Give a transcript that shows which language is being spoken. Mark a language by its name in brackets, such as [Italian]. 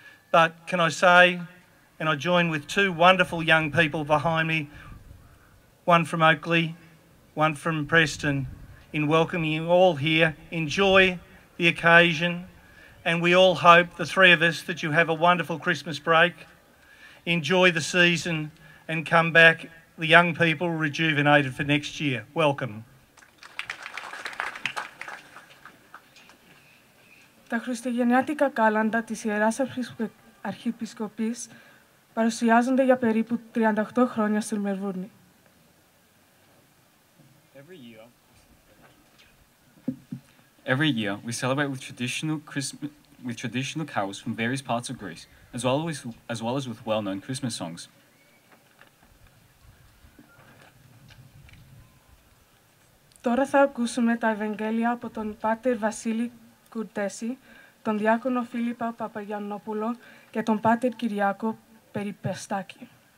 [English] But can I say, and I join with two wonderful young people behind me, one from Oakley, one from Preston, in welcoming you all here. Enjoy the occasion, and we all hope, the three of us, that you have a wonderful Christmas break. Enjoy the season and come back, the young people, rejuvenated for next year. Welcome. [Greek] Τα Χριστουγεννιάτικα κάλαντα της Ιεράς Αρχιεπισκοπής παρουσιάζονται για περίπου 38 χρόνια στη Μελβούρνη. [English] Every year, we celebrate with traditional Christmas, with traditional carols from various parts of Greece, as well as with well-known Christmas songs. [Greek] Τώρα θα ακούσουμε τα Ευαγγέλια από τον Πάτερ Βασίλη Κουρτέση, τον Διάκονο Φίλιππα Παπαγιαννόπουλο και τον Πάτερ Κυριάκο Περιπεστάκη.